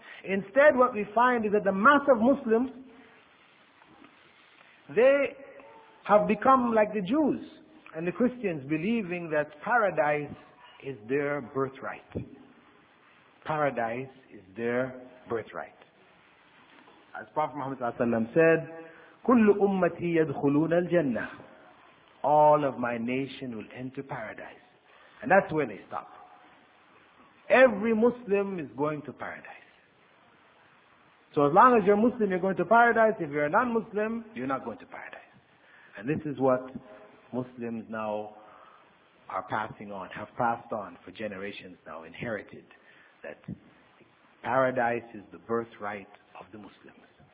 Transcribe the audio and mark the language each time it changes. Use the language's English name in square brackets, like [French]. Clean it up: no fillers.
[English] Instead, what we find is that the mass of Muslims, they have become like the Jews and the Christians, believing that paradise is their birthright. Paradise is their birthright. As Prophet Muhammad ﷺ said, [Arabic] كل أمتي يدخلون الجنة. [English] All of my nation will enter paradise. And that's where they stop. Every Muslim is going to paradise. So as long as you're Muslim, you're going to paradise. If you're a non-Muslim, you're not going to paradise. And this is what Muslims now are passing on, have passed on for generations now, inherited, that paradise is the birthright of the Muslims.